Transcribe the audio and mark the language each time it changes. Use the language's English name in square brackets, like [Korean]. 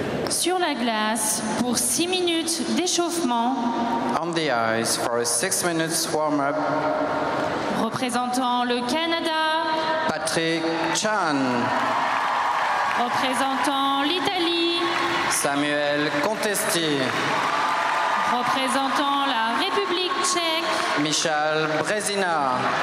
[French] Sur la glace pour 6 minutes d'échauffement. [English] On the ice for a 6 minutes warm-up. [French] Représentant le Canada. Patrick Chan. Représentant l'Italie. Samuel Contesti. Représentant la République tchèque. Michal Brezina.